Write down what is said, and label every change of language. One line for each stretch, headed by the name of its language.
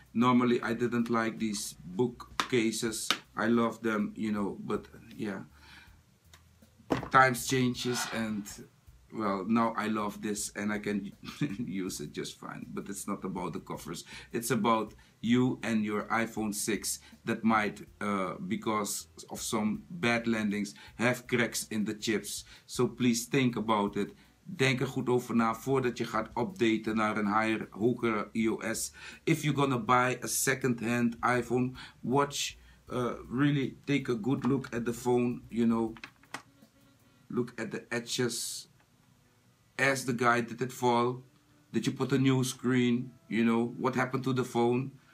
English: Normally I didn't like these book cases. I love them, you know, but yeah, times changes, and well, now I love this and I can use it just fine. But it's not about the covers, it's about you and your iPhone 6 that might, because of some bad landings, have cracks in the chips. So please think about it.
Dutch: Denk er goed over na voordat je gaat updaten naar een higher, hogere iOS.
English: If you're gonna buy a second-hand iPhone, watch, really take a good look at the phone, you know. Look at the edges. Ask the guy, did it fall? Did you put a new screen? You know, what happened to the phone?